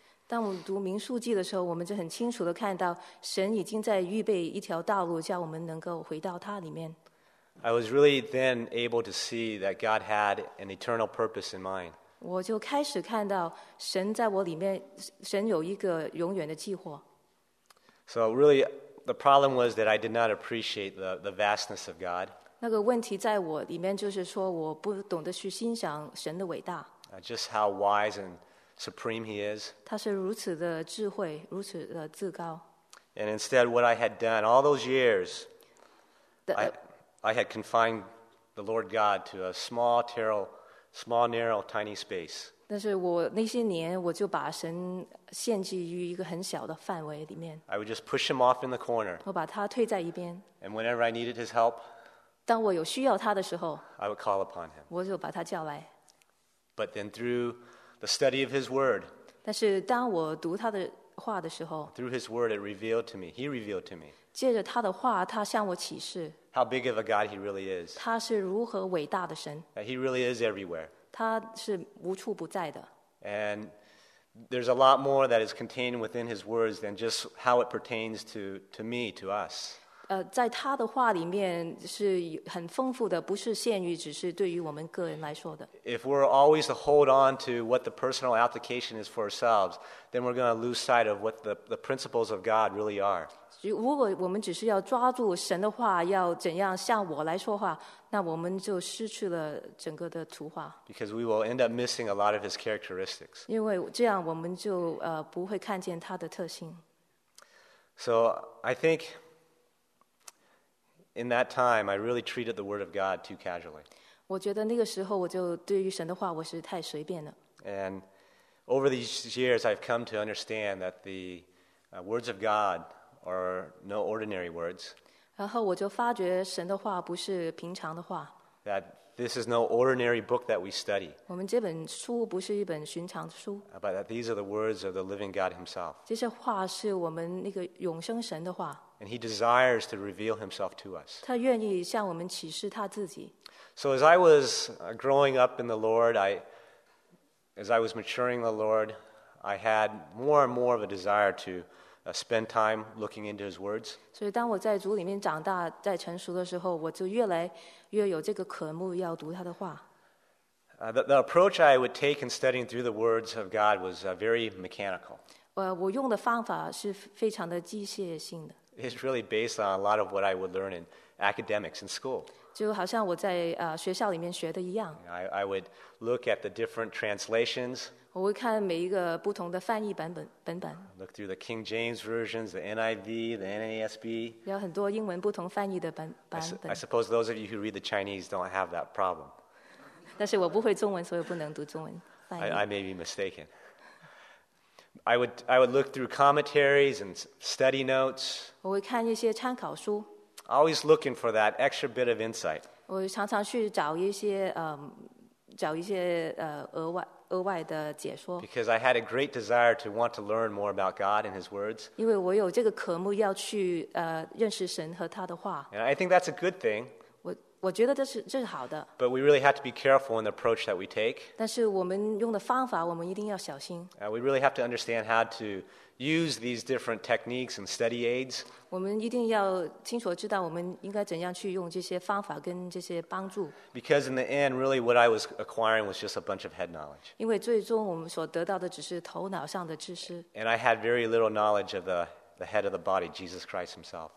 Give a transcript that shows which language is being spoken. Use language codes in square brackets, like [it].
[zh] 当我们读民数记的时候我们就很清楚地看到神已经在预备一条道路叫我们能够回到他里面。 [en] I was really then able to see that God had an eternal purpose in mind. [zh] 我就开始看到神在我里面，神有一个永远的计划。 [en] So really, the problem was that I did not appreciate the vastness of God. [zh] 那个问题在我里面就是说，我不懂得去欣赏神的伟大。 [en] Just how wise and supreme He is. [zh] 他是如此的智慧，如此的至高。 [en] And instead, what I had done all those years, I had confined the Lord God to a small, terrible, small, narrow, tiny space. [zh] 但是我那些年我就把神献祭于一个很小的范围里面。 [en] I would just push him off in the corner. [zh] 我把他推在一边。 [en] And whenever I needed his help, [zh] 当我有需要他的时候 [en] I would call upon him. [zh] 我就把他叫来。 [en] But then through the study of his word, [zh] 但是当我读他的话的时候 [en] through his word, it revealed to me. He revealed to me. [zh] 借着他的话他向我启示。 [en] How big of a God he really is. [zh] 他是如何伟大的神。 [en] He really is everywhere. [zh] 他是无处不在的。 [en] And there's a lot more that is contained within his words than just how it pertains to me, to us. [zh] 在他的话里面是很丰富的，不是限于只是对于我们个人来说的。 [en] If we're always to hold on to what the personal application is for ourselves, then we're going to lose sight of what the principles of God really are. [zh] 如果我们只是要抓住神的话，要怎样向我来说话，那我们就失去了整个的图画。 [en] Because we will end up missing a lot of his characteristics. [zh] 因为这样我们就不会看见他的特性。 [en] So I think. In that time, I really treated the word of God too casually. [zh] 我觉得那个时候我就对于神的话我是太随便了。 [en] And over these years, I've come to understand that the words of God are no ordinary words. [zh] 然后我就发觉神的话不是平常的话。 [en] That this is no ordinary book that we study. [zh] 我们这本书不是一本寻常的书。 [en] But that these are the words of the living God himself. [zh] 这些话是我们那个永生神的话。 [en] And he desires to reveal himself to us. [zh] 他愿意向我们启示他自己。 [en] So as I was growing up in the Lord, as I was maturing in the Lord, I had more and more of a desire to spend time looking into his words. [zh] 所以当我在主里面长大，在成熟的时候，我就越来越有这个渴慕要读他的话。 [en] The approach I would take in studying through the words of God was very mechanical. [zh] 我用的方法是非常的机械性的。 [en] It's really based on a lot of what I would learn in academics in school. [zh] 就好像我在学校里面学的一样。 [en] I would look at the different translations. [zh] 我会看每一个不同的翻译本。 [en] Look through the King James versions, the NIV, the NASB. [zh] 有很多英文不同翻译的版本。 [en] I suppose those of you who read the Chinese don't have that problem. [zh] 但是我不会中文，所以不能读中文翻译。 [en] I may be mistaken. I would look through commentaries and study notes. [zh] 我会看一些参考书。 [en] Always looking for that extra bit of insight. [zh] 我常常去找一些额外的解说。 [en] Because I had a great desire to want to learn more about God and His words. [zh] 因为我有这个渴慕要去认识神和他的话。 [en] And I think that's a good thing. [zh] 我觉得这是好的。 [en] But we really have to be careful in the approach that we take. [zh] 但是我们用的方法我们一定要小心。 [en] We really have to understand how to use these different techniques and study aids. [zh] 我们一定要清楚知道我们应该怎样去用这些方法跟这些帮助。 [en] Because in the end, really what I was acquiring was just a bunch of head knowledge. [zh] 因为最终我们所得到的只是头脑上的知识。 [en] And I had very little knowledge of the head of the body, Jesus Christ himself.